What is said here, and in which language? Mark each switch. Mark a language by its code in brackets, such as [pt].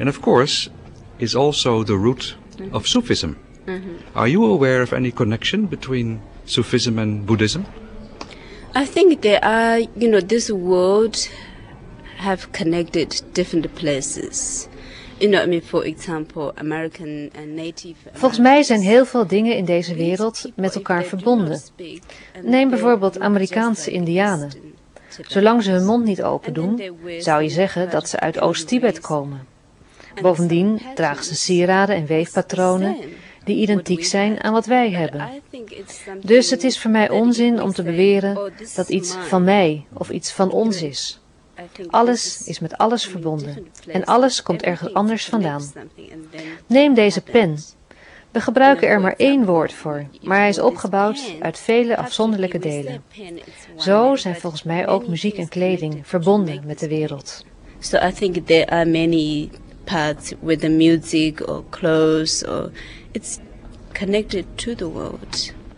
[en] And of course, is also the root mm-hmm. of Sufism. Mm-hmm. Are you aware of any connection between Sufism and Buddhism? I think there are, you know, this world have connected different places. You know, I mean, for example, American and Native Americans. [nl] Volgens mij zijn heel veel dingen in deze wereld met elkaar verbonden. Neem bijvoorbeeld Amerikaanse Indianen. Zolang ze hun mond niet open doen, zou je zeggen dat ze uit Oost-Tibet komen. Bovendien dragen ze sieraden en weefpatronen die identiek zijn aan wat wij hebben. Dus het is voor mij onzin om te beweren dat iets van mij of iets van ons is. Alles is met alles verbonden en alles komt ergens anders vandaan. Neem deze pen. We gebruiken er maar één woord voor, maar hij is opgebouwd uit vele afzonderlijke delen. Zo zijn volgens mij ook muziek en kleding verbonden met de wereld. [en] So I think there are many parts with the music or clothes or it's connected to the world.